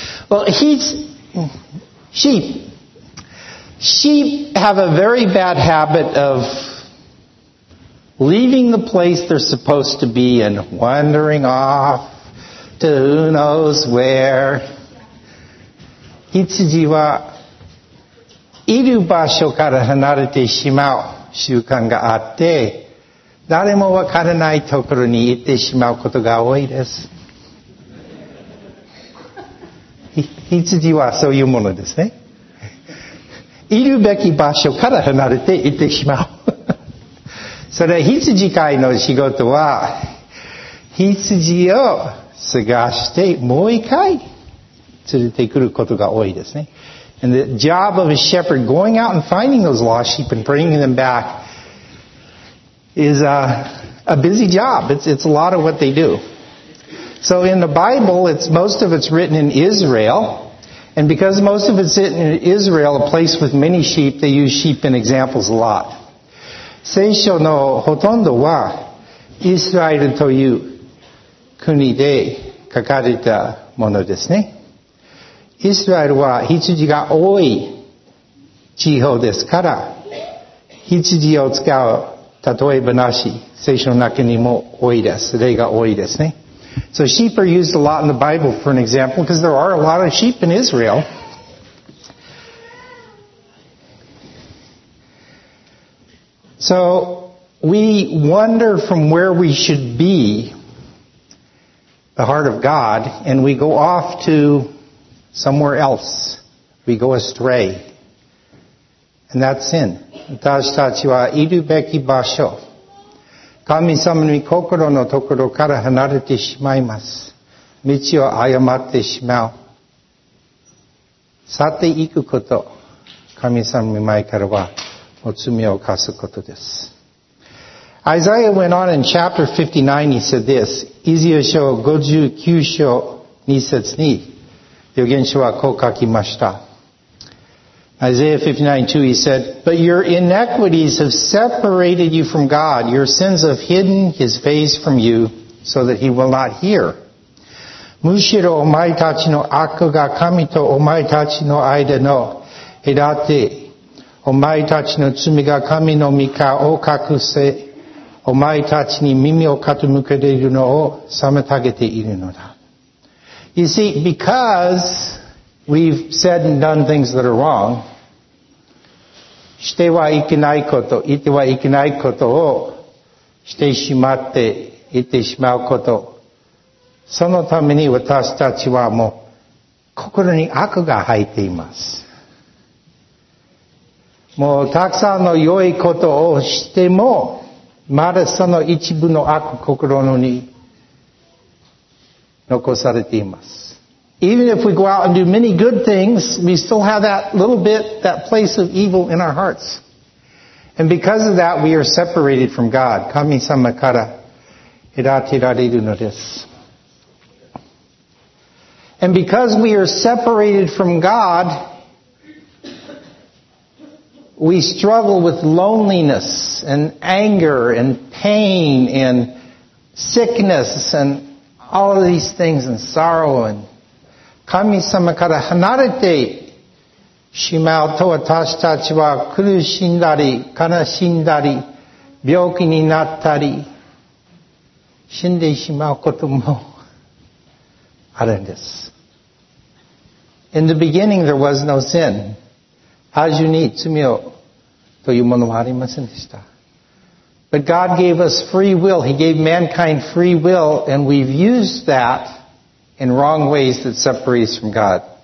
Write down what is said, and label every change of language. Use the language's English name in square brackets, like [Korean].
[English] Well, sheep have a very bad habit of leaving the place they're supposed to be and wandering off to who knows where. [Japanese] 羊はいる場所から離れてしまう習慣があって、誰もわからないところに行ってしまうことが多いです。羊はそういうものですね。いるべき場所から離れて行ってしまう。それ羊飼いの仕事は、羊を探してもう一回連れてくることが多いですね。 [English] And the job of a shepherd going out and finding those lost sheep and bringing them back is a busy job. It's a lot of what they do. So in the Bible, most of it's written in Israel. And because most of it's written in Israel, a place with many sheep, they use sheep in examples a lot. [Japanese] 聖書のほとんどはイスラエルという国で書かれたものですね。イスラエルは羊が多い地方ですから、羊を使う例え話、聖書の中にも多いです。例が多いですね。 [English] So sheep are used a lot in the Bible for an example because there are a lot of sheep in Israel. So we wander from where we should be, the heart of God, and we go off to somewhere else. We go astray. And that's sin. [Japanese] 私たちはいるべき場所。神様に心のところから離れてしまいます。道を誤ってしまう。去っていくこと、神様の前からは、お罪を犯すことです。 [English] Isaiah went on in chapter 59, he said this, [Japanese] イザヤ書59章2節に、預言書はこう書きました。 [English] Isaiah 59:2, he said, But your iniquities have separated you from God. Your sins have hidden his face from you so that he will not hear. [Japanese] むしろお前たちの悪が神とお前たちの間の隔て、お前たちの罪が神の御顔を隠せ、お前たちに耳を傾けているのを妨げているのだ。 [English] You see, because we've said and done things that are wrong, [Japanese] してはいけないこと、言ってはいけないことをしてしまって、言ってしまうこと、そのために私たちはもう心に悪が入っています。もうたくさんの良いことをしても、まだその一部の悪心に残されています。 [English] Even if we go out and do many good things, we still have that little bit, that place of evil in our hearts. And because of that, we are separated from God. [Japanese] 神様から隔てられるのです。 [English] And because we are separated from God, we struggle with loneliness and anger and pain and sickness and all of these things and sorrow. And [Japanese] 神様から離れてしまうと私たちは苦しんだり悲しんだり病気になったり死んでしまうこともあるんです。 [English] In the beginning there was no sin. [Japanese] 初に罪をというものはありませんでした。 [English] But God gave us free will. He gave mankind free will and we've used that in wrong ways that separate us from God.